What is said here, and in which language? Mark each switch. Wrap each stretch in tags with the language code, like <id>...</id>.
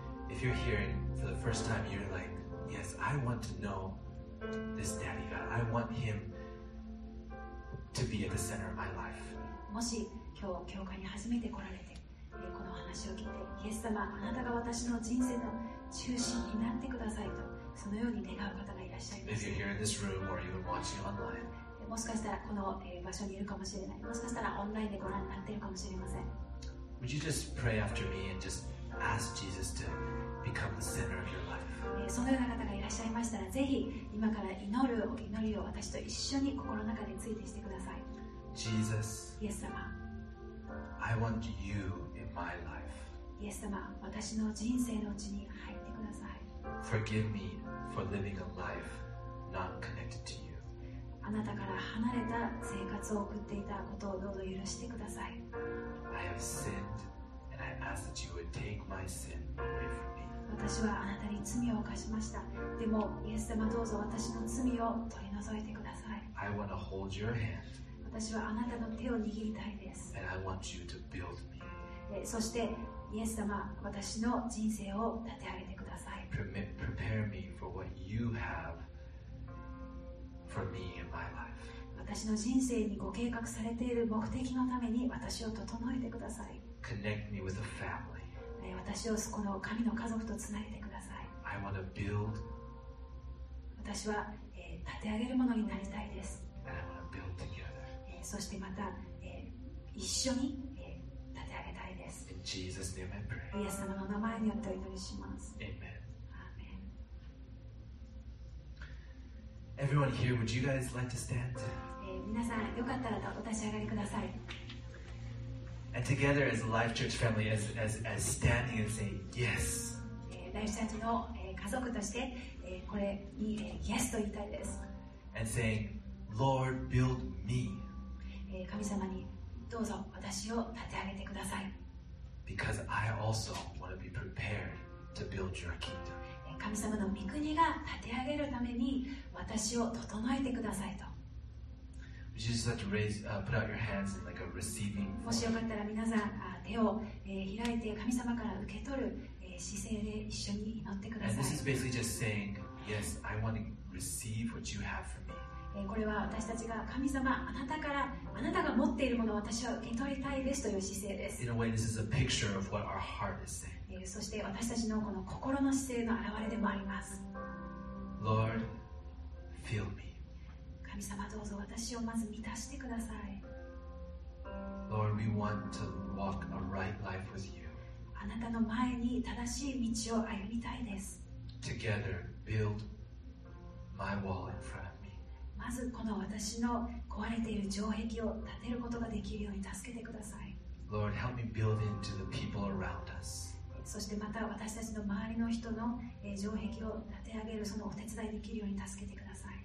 <en>If you're here and for the first time you're like, yes, I want to know this daddy God. I want him to be at the center of my life.</en> <ja>もし今日教会に初めて来られて、この話を聞いて、イエス様、あなたが私の人生の中心になってくださいと、そのように願う方がいらっしゃいます。</ja> <en>If you're here in this room or even watching online,</en> <ja>もしかしたらこの場所にいるかもしれない。もしかしたらオンラインでご覧になっているかもしれません。</ja> <en>Would you just pray after me and just ask Jesus to become the center of your life?</en> <ja>そのような方がいらっしゃいましたら、ぜひ今から祈りを私と一緒に心の中についてしてください。</ja> <en>Jesus,</en> <ja>イエス様、</ja> <en>I want you in my life.</en> <ja>イエス様、私の人生のうちに入ってください。</ja> <en>Forgive me for living a life not connected to you.</en> <ja>あなたから離れた生活を送っていたことをどうぞ許してください。</ja> <en>I have sinned and I ask that you would take my sin away from me.</en> <ja>私はあなたに罪を犯しました。でも、イエス様どうぞ私の罪を取り除いてください。</ja> <en>I want to hold your hand.</en> <ja>私はあなたの手を握りたいです。</ja> <en>And I want you to build me.</en> <ja>そして、イエス様、私の人生を立て上げてください。</ja> <en>Prepare me for what you have for me in my life.</en> <ja>私の人生にご計画されている目的のために私を整えてください。</ja> <en>Connect me with a family.</en> <ja>私をこの神の家族とつなげてください。</ja> <en>I want to build.</en> <ja>私は、立て上げるものになりたいです。</ja> <en>And I want to build together.</en> <ja>そしてまた、一緒に、立て上げたいです。</ja> <en>In Jesus' name I pray.</en> <ja>イエス様の名前によってお祈りします。</ja> <en>Amen. Amen. Everyone here, would you guys like to stand?</en> <ja>皆さん、よかったらお立ち上がりください。</ja> <en>And together as a Life Church family, as standing and saying yes.</en> <ja>Life Church の家族としてこれに yes と言いたいです。</ja> <en>And saying, Lord, build me.</en> <ja>神様にどうぞ私を立て上げてください。</ja> <en>Because I also want to be prepared to build your kingdom.</en> <ja>神様の御国が立て上げるために私を整えてくださいと。</ja> <en>Would you just like to raise, put out your hands in like a receiving?</en> <ja>もしよかったら皆さん手を開いて神様から受け取る姿勢で一緒に祈ってください。</ja> <en>And this is basically just saying, yes, I want to receive what you have for me.</en> <ja>これは私たちが神様あなたからあなたが持っているものを私は受け取りたいですという姿勢です。</ja> <en>In a way, this is a picture of what our heart is saying.</en> <ja>そして私たちのこの心の姿勢の表れでもあります。</ja> <en>Lord, fill me.</en> <ja>神様どうぞ私をまず満たしてください。</ja> <en>Lord, we want to walk a right life with you.</en> <ja>あなたの前に正しい道を歩みたいです。</ja> <en>Together, build my wall in front of me.</en> <ja>まずこの私の壊れている城壁を立てることができるように助けてください。</ja> <en>Lord, help me build into the people around us.</en> <ja>そしてまた私たちの周りの人の城壁を立て上げるそのお手伝いできるように助けてください。</ja>